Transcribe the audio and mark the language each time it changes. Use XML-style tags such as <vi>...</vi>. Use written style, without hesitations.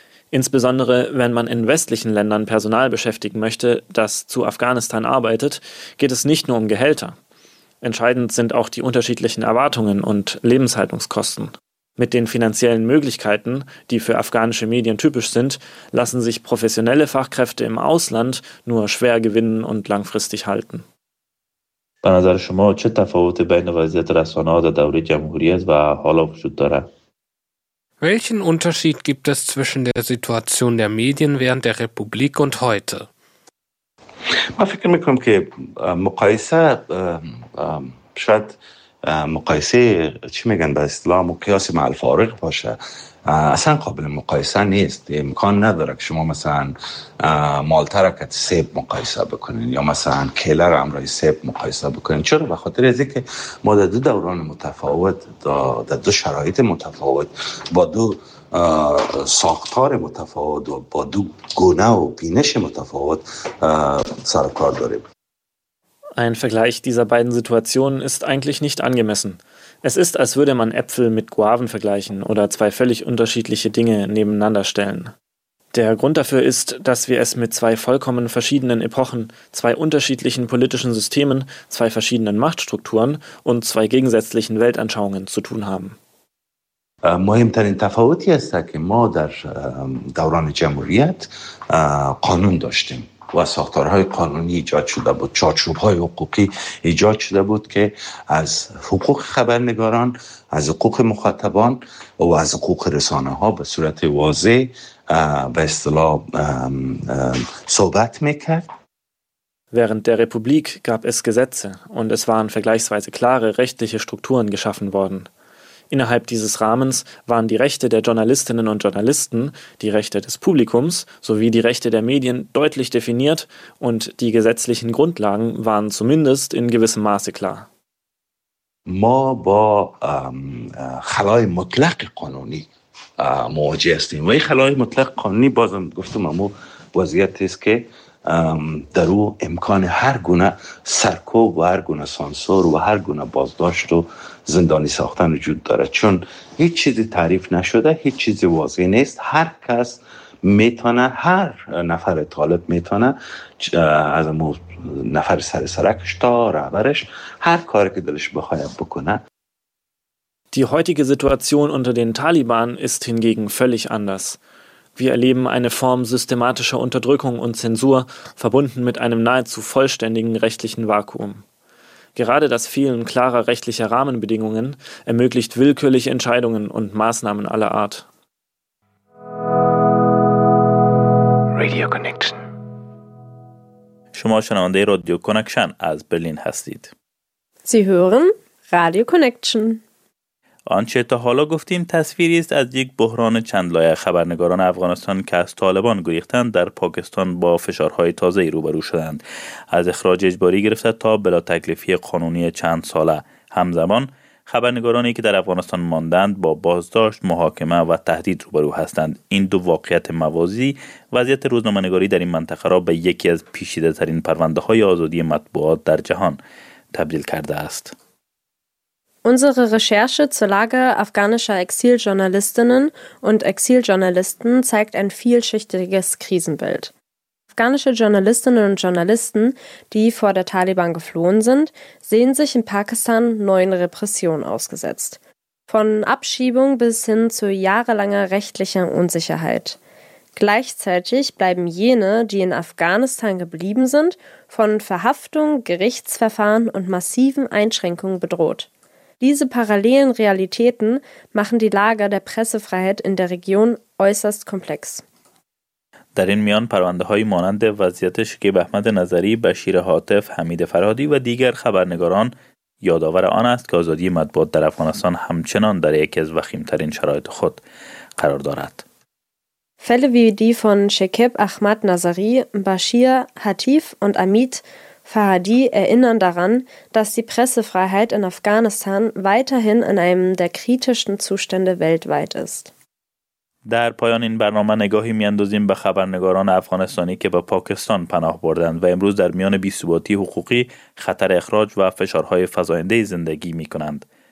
<de>Insbesondere, wenn man in westlichen Ländern Personal beschäftigen möchte, das zu Afghanistan arbeitet, geht es nicht nur um Gehälter. Entscheidend sind auch die unterschiedlichen Erwartungen und Lebenshaltungskosten. Mit den finanziellen Möglichkeiten, die für afghanische Medien typisch sind, lassen sich professionelle Fachkräfte im Ausland nur schwer gewinnen und langfristig halten.</de> <fa>به نظر شما چه تفاوت بین وضعیت رسانه‌ها در دوره جمهوری است و حالا وجود دارد؟</fa> <de>Welchen Unterschied gibt es zwischen der Situation der Medien während der Republik und heute?</de> <fa>من فکر می‌کنم که مقایسه شاید مقایسه چی میگن به اصطلاح مقیاس مع الفارق باشه. اصلا قابل مقایسه نیست، امکان نداره که شما مثلا مالتا را که سیب مقایسه بکنین یا مثلا کیله را هم رای سیب مقایسه بکنین. چرا؟ به خاطر از اینکه ما در دو دوران متفاوت، در دو شرایط متفاوت، با دو ساختار متفاوت و با دو گونه و بینش متفاوت سر و کار داریم.</fa> <de>Ein Vergleich dieser beiden Situationen ist eigentlich nicht angemessen. Es ist, als würde man Äpfel mit Guaven vergleichen oder zwei völlig unterschiedliche Dinge nebeneinander stellen. Der Grund dafür ist, dass wir es mit zwei vollkommen verschiedenen Epochen, zwei unterschiedlichen politischen Systemen, zwei verschiedenen Machtstrukturen und zwei gegensätzlichen Weltanschauungen zu tun haben.</de> <fa>مهمترین تفاوتی است که ما در دوران جمهوریت قانون داشتیم و ساختارهای قانونی ایجاد شده بود، چارچوب‌های حقوقی ایجاد شده بود که از حقوق خبرنگاران، از حقوق مخاطبان و از حقوق رسانه‌ها به صورت واضح به اصطلاح صحبت می‌کرد.</fa> <de>Während der Republik gab es Gesetze und es waren vergleichsweise klare rechtliche Strukturen geschaffen worden. Innerhalb dieses Rahmens waren die Rechte der Journalistinnen und Journalisten, die Rechte des Publikums sowie die Rechte der Medien deutlich definiert und die gesetzlichen Grundlagen waren zumindest in gewissem Maße klar.</de> <fa>ما با خلای مطلق قانونی مواجه هستیم و این خلای مطلق قانونی بازم گفتم اما وضعیت است که در او امکان هر گونه سرکوب و هر گونه سانسور و هر گونه بازداشت و زندانی ساختن وجود داره، چون هیچ چیزی تعریف نشده، هیچ چیزی واضح نیست. هر کس میتونه، هر نفر طالب میتونه، از نفر سر سرکش تا رهبرش، هر کاری که دلش بخواد بکنه.</fa> <de>Die heutige Situation unter den Taliban ist hingegen völlig anders. Wir erleben eine Form systematischer Unterdrückung und Zensur, verbunden mit einem nahezu vollständigen rechtlichen Vakuum. Gerade das Fehlen klarer rechtlicher Rahmenbedingungen ermöglicht willkürliche Entscheidungen und Maßnahmen aller Art. Radio Connection.</de> <fa>شما شنونده رادیو کانکشن از برلین هستید.</fa> <de>Sie hören Radio Connection.</de> <fa>آنچه تا حالا گفتیم تصویری است از یک بحران چند لایه. خبرنگاران افغانستان که از طالبان گریختند در پاکستان با فشارهای تازه‌ای روبرو شدند، از اخراج اجباری گرفته تا بلا تکلیفی قانونی چند ساله. همزمان خبرنگارانی که در افغانستان ماندند با بازداشت، محاکمه و تهدید روبرو هستند. این دو واقعیت موازی وضعیت روزنامه‌نگاری در این منطقه را به یکی از پیچیده‌ترین پرونده‌های آزادی مطبوعات در جهان تبدیل کرده است.</fa> <de>Unsere Recherche zur Lage afghanischer Exiljournalistinnen und Exiljournalisten zeigt ein vielschichtiges Krisenbild. Afghanische Journalistinnen und Journalisten, die vor der Taliban geflohen sind, sehen sich in Pakistan neuen Repressionen ausgesetzt. Von Abschiebung bis hin zu jahrelanger rechtlicher Unsicherheit. Gleichzeitig bleiben jene, die in Afghanistan geblieben sind, von Verhaftung, Gerichtsverfahren und massiven Einschränkungen bedroht. Diese parallelen Realitäten machen die Lage der Pressefreiheit in der Region äußerst komplex.</de> <fa>در این میان پرونده‌های مانند وضعیت شکیب احمد نظری، بشیر هاتف، حمید فرهادی و دیگر خبرنگاران یادآور آن است که آزادی مطبوعات در افغانستان همچنان در یکی از وخیم‌ترین شرایط خود قرار دارد.</fa> <de>Fälle wie die von Shekib Ahmad Nazari, Bashir Hatif und Amit Fahadi erinnern daran, dass die Pressefreiheit in Afghanistan weiterhin in einem der kritischsten Zustände weltweit ist.</de> <fa>در پایان این برنامه نگاهی میاندازیم به خبرنگاران افغانستانی که به پاکستان پناه بردند و امروز در میان بی‌ثباتی حقوقی، خطر اخراج و فشارهای فزاینده زندگی می‌کنند.</fa>